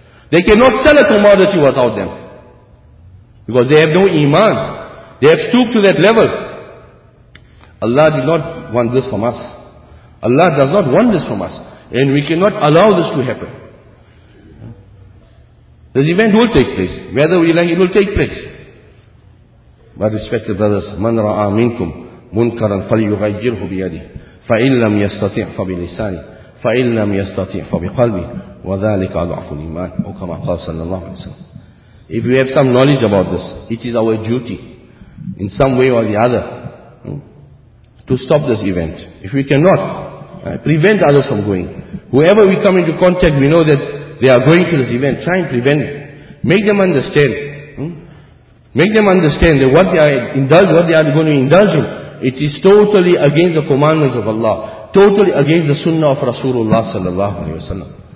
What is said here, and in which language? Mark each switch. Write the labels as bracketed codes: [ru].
[en] They cannot sell a commodity without them, because they have no iman. They have stooped to that level. Allah did not want this from us. Allah does not want this from us. And we cannot allow this to happen. This event will take place. Whether we like it, will take place. My respected brothers, [ar] مَنْ رَعَى مِنْكُمْ مُنْكَرًا فَلْيُغَيِّرْهُ بِيَدِهِ فَإِنْ لَمْ يَسْتَطِعْ فَبِلِسَانِ فَإِنْ لَمْ يَسْتَطِعْ فَبِقَلْبِ وَذَلِكَ أَضْعَفُ الْإِيمَانِ أو كما قال صلى الله عليه وسلم. [en] If we have some knowledge about this, it is our duty, in some way or the other, to stop this event. If we cannot, prevent others from going. Whoever we come into contact, we know that they are going to this event. Try and prevent it. Make them understand. Make them understand that what they are going to indulge in, it is totally against the commandments of Allah, totally against the sunnah of Rasulullah sallallahu alaihi wasallam.